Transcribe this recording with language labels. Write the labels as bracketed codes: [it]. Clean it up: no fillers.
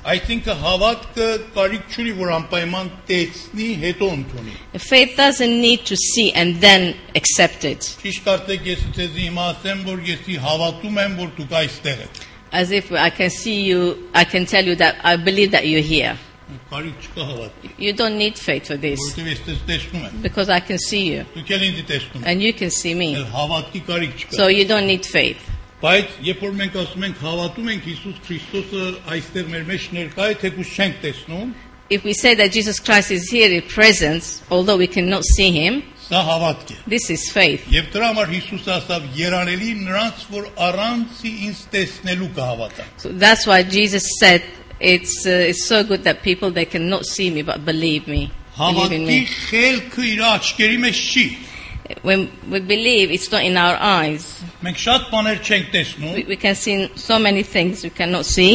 [en] I think [hy] հավատքը կարիք չունի, որ անպայման տեսնի, հետո ընդունի։ [en] Faith doesn't need to see and then accept it. [hy] Ճիշտ կարծեք, ես ձեզ հիմա ասեմ, որ ես հավատում եմ, որ դուք այստեղ եք։ [en] As if I can see you, I can tell you that I believe that you're here. [hy] Կարիք չկա հավատքի։ [en] You don't need faith for this. [hy] Որտեւ ես ձեզ տեսնում եմ։ [en] Because I can see you. [hy] Դուք էլ ինձ տեսնում եք։ [en] And you can see me. [hy] Ել հավատքի կարիք չկա։ [en] So you don't need faith. [hy] Բայց երբ որ մենք ասում ենք հավատում ենք Հիսուս Քրիստոսը այստեղ մեր մեջ ներկա է, թեկուզ չենք տեսնում, [en] If we say that Jesus Christ is here in presence, although we cannot see him, [hy] սա հավատք է։ [en] This is faith. [hy] Եվ դրա համար Հիսուս ասավ, երանելի նրանց, որ առանցի ինձ տեսնելու կհավատան։ [en] So that's why Jesus said it's so good that people they cannot see me but believe me. believe in me. When we believe, it's not in our eyes. We can see so many things we cannot see.